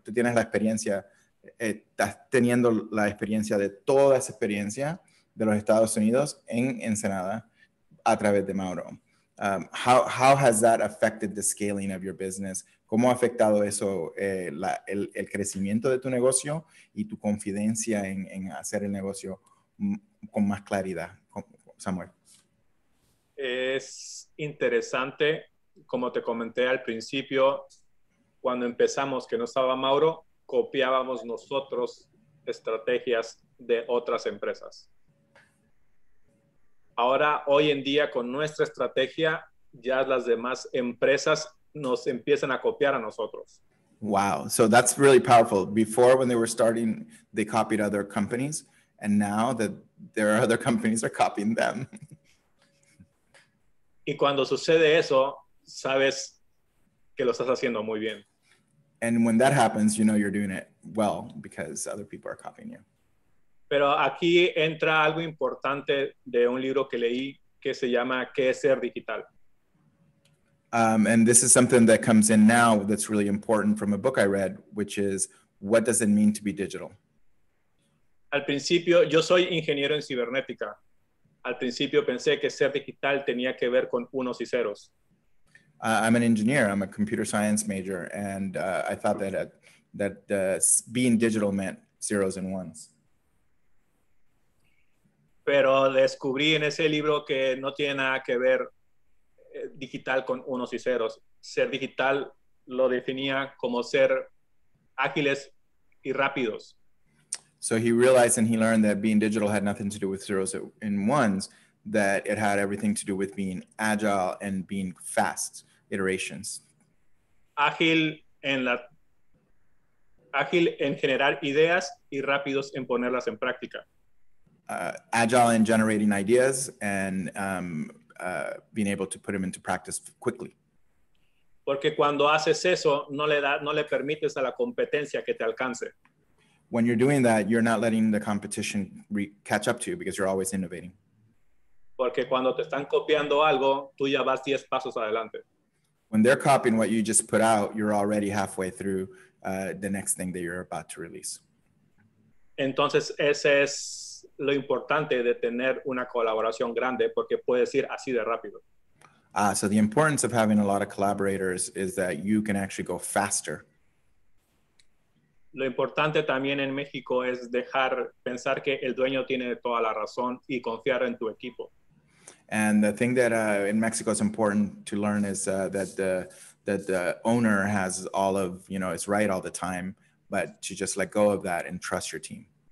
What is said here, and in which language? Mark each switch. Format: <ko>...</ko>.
<es>Tú tienes la experiencia, estás teniendo la experiencia de toda esa experiencia de los Estados Unidos en Ensenada a través de Mauro.</es> <en>How has that affected the scaling of your business?</en> <es>¿Cómo ha afectado eso el crecimiento de tu negocio y tu confidencia en hacer el negocio con más claridad, Samuel? Es interesante, como te comenté al principio, cuando empezamos que no estaba Mauro, copiábamos nosotros estrategias de otras empresas. Ahora, hoy en día, con nuestra estrategia, ya las demás empresas nos empiezan a copiar a nosotros.</es> <en>Wow, so that's really powerful. Before, when they were starting, they copied other companies. And now that there are other companies are copying them.</en> <es>Y cuando sucede eso, sabes que lo estás haciendo muy bien.</es> <en>And when that happens, you know you're doing it well because other people are copying you.</en> <es>Pero aquí entra algo importante de un libro que leí que se llama ¿Qué es ser digital?</es> <en>And this is something that comes in now that's really important from a book I read, which is what does it mean to be digital?</en> <es>Al principio, yo soy ingeniero en cibernética. Al principio pensé que ser digital tenía que ver con unos y ceros.</es> <en>I'm an engineer. I'm a computer science major. And I thought that being digital meant zeros and ones.</en> <es>Pero descubrí en ese libro que no tiene nada que ver digital con unos y ceros. Ser digital lo definía como ser ágiles y rápidos.</es> <en>So he realized and he learned that being digital had nothing to do with zeros and ones, that it had everything to do with being agile and being fast iterations.</en> <es>Ágil en generar ideas y rápidos en ponerlas en práctica.</es> <en>Agile in generating ideas and being able to put them into practice quickly.</en> <es>Porque cuando haces eso, no le permites a la competencia que te alcance.</es> <en>when you're doing that, you're not letting the competition catch up to you because you're always innovating.</en> <es>Porque cuando te están copiando algo, tú ya vas 10 pasos adelante.</es> <en>When they're copying what you just put out, you're already halfway through the next thing that you're about to release.</en> <es>Entonces, ese es lo importante de tener una colaboración grande porque puedes ir así de rápido.</es> <en>So the importance of having a lot of collaborators is that you can actually go faster.</en> <es>Lo importante también en México es dejar pensar que el dueño tiene toda la razón y confiar en tu equipo.</es> <en>And the thing that in Mexico is important to learn is that the owner has all of, you know, it's right all the time, but to just let go of that and trust your team.</en>